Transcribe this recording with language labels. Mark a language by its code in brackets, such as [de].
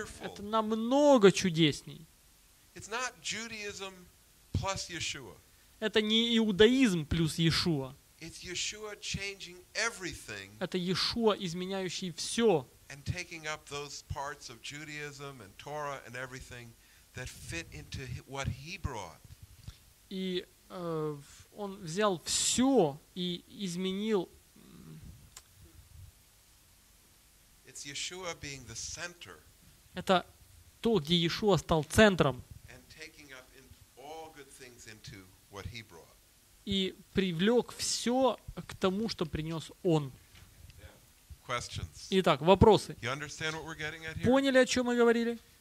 [ru] Это намного чудесней. Это не иудаизм плюс Иешуа. Это Иешуа, изменяющий все. [en] And taking up those parts of Judaism and Torah and everything that fit into what he brought. [ru] И он взял все и изменил. [en] It's Yeshua being the center. [ru] Это то, где Иешуа стал центром. [en] And taking up all good things into what he brought. [ru] И привлек все к тому, что принес он. Итак, вопросы. Поняли, о чем мы говорили?